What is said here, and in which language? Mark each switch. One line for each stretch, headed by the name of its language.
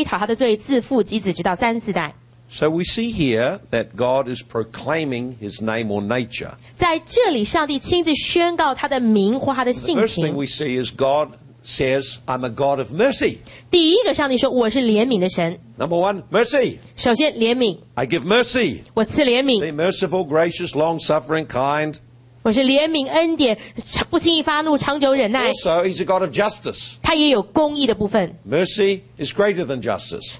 Chinese: 赦免罪孽、过犯和罪恶，万不以有罪的为无罪，必追讨他的罪，自负及子直到三四代。
English: So we see here that God is proclaiming His name or nature.
Chinese: 在这里，上帝亲自宣告他的名或他的性情。
English: The first thing we see is God says, "I'm a God of mercy."
Chinese: 第一个，上帝说我是怜悯的神。
English: Number one, mercy.
Chinese: 首先，怜悯。
English: I give mercy.
Chinese: 我赐怜悯。
English: Be merciful, gracious, long-suffering, kind.
Chinese: 我是怜悯恩典，不轻易发怒，长久忍耐。
English: Also, He's a God of justice.
Chinese: 他也有公义的部分。
English: Mercy is greater than justice.